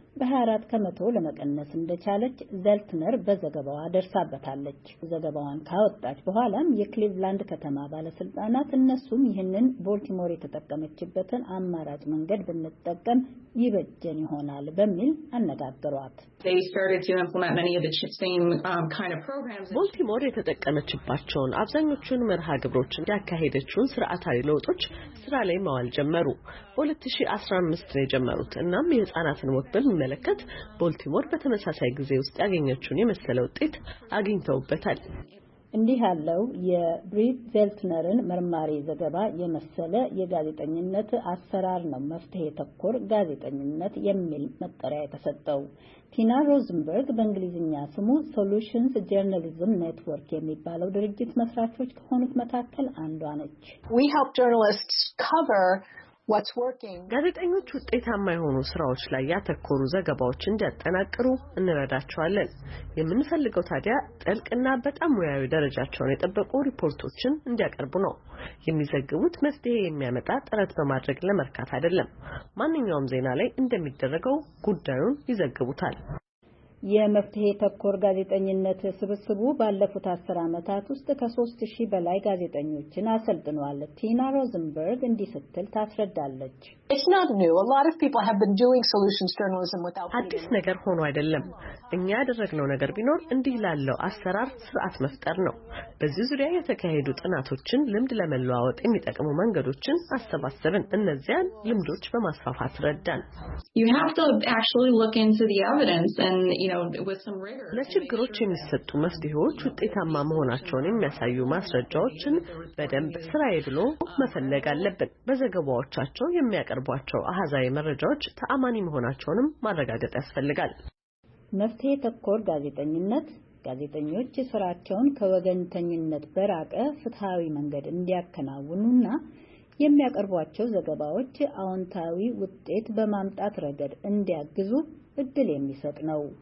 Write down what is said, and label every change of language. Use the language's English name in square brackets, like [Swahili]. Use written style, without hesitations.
[Amharic] በሃራት ከመቶ ለመቀነስ እንደቻለች ዘልትነር በዘገባው አደረሰበታለች። ዘገባውን ካወጣች በኋላም የክሊቭላንድ ከተማ ባለስልጣናት እነሱም ይሄንን ቦልቲሞር የተጠቀመችበትን አማራጭ መንገድ በመጠቀም ይበጀን ይሆናል በሚል አነጋገሯት። [English] They started to implement many of the same kind of programs. [Amharic] ቦልቲሞር የተጠቀመችባቸውን አብዛኞቹን መርሃ ግብሮች እንዲያካሄደችው ስርዓታዊ ለውጦች ስራ ላይ ማዋል ጀመሩ። በ2015 ነው የጀመሩት እና የህፃናትን ወጥን መለከት ቦልቲሞር በተመሳሳይ ጊዜ ውስጥ ያገኘችውን የመሰለ ውጤት አግኝተውበታል። እንዲህ ያለው የብሪት ዘልትነርን መርማሪ ዘገባ የመሰለ የጋዜጠኝነት አሰራር ነው መፍትሄ ተኮር ጋዜጠኝነት የሚል መጠሪያ የተሰጠው። ቲና ሮዝንበርግ በእንግሊዝኛ ስሙ Solutions Journalism Network የሚባለው ድርጅት መስራቾች ከሆኑት መካከል አንዷ ነች። [English] We help journalists cover what's working. [Amharic] ጋዜጠኞች ውጤታማ የሆኑ ስራዎች ላይ ያተኮሩ ዘገባዎችን እንዲያጠናቅሩ እንረዳቸዋለን። የምንፈልገው ታዲያ ጥልቅና በጣም ሙያዊ ደረጃቸውን የጠበቁ ሪፖርቶችን እንዲያቀርቡ ነው። የሚዘግቡት መፍትሄ የሚያመጣ ጥረት በማድረግ ለመርካት አይደለም። ማንኛውም ዜና ላይ እንደሚደረገው ጉዳዩን ይዘግቡታል። የመፍትሄ ተኮር ጋዜጠኝነት ስብስቡ ባለፉት 10 አመታት ውስጥ ከ3000 በላይ ጋዜጠኞችን አሰልጥኗል። ቲና ሮዝንበርግ እንዲስተል ታስረዳለች። [English] It's not new. A lot of people have been doing solutions journalism without [Amharic] አዲስ ነገር ሆኖ አይደለም። እኛ ያደረግነው ነገር ቢኖር እንዲህ ላለው አሰራር ስርዓት መፍጠር ነው። በዚህ ዙሪያ የተካሄዱ ጥናቶችን ልምድ ለመለዋወጥ የሚጠቅሙ መንገዶችን አስተባብረን እነዚያን ልምዶች በማስፋፋት ረዳን። [English] You have to actually look into the evidence and [Amharic] ለችግሮች የሚሰጡ መፍትሄዎች ውጤታማ መሆናቸውን የሚያሳዩ ማስረጃዎችን በደንብ ስራዬ ብሎ መፈለግ አለብን። በዘገባዎቻቸው የሚያቀርቧቸው አሃዛዊ መረጃዎች ተአማኒ መሆናቸውንም ማረጋገጥ ያስፈልጋል። መፍትሄ ተኮር ጋዜጠኝነት ጋዜጠኞች ስራቸውን ከወገንተኝነት በራቀ ፍትሃዊ መንገድ እንዲያከናውኑና የሚያቀርቧቸው ዘገባዎች አውንታዊ ውጤት በማምጣት ረገድ እንዲያግዙ እድል የሚሰጥ ነው።